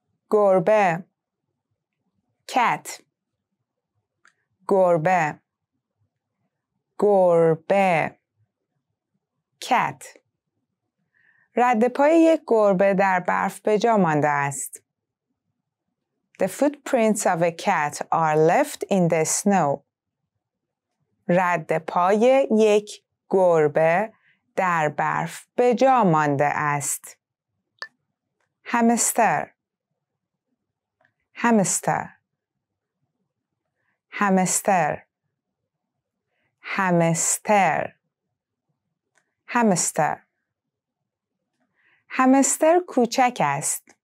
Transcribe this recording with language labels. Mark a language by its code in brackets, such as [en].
[fa] گربه cat گربه گربه cat رد پای یک گربه در برف به جا مانده است. [en] The footprints of a cat are left in the snow. [fa] رد پای یک گربه در برف به جا مانده است. همستر همستر همستر همستر همستر همستر کوچک است.